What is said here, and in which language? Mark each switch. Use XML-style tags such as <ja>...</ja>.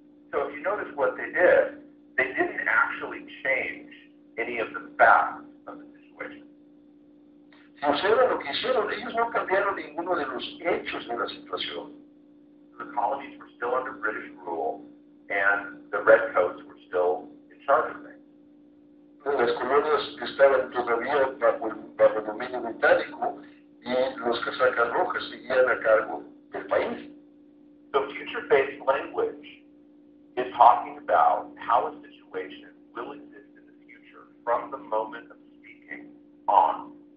<en>So if you notice what they did, they didn't actually change any of the facts of the situation.</en> <es>Si observan lo que hicieron, ellos no cambiaron ninguno de los hechos de la situación.</es> <en>The colonies were still under British rule, and the redcoats were still in charge of things.</en> <es>Las colonias estaban todavía bajo el dominio británico, y los casacas rojas seguían a cargo del país.</es> <en>So future-based language is talking about how a situation will exist in the future from the moment of speaking on.</en>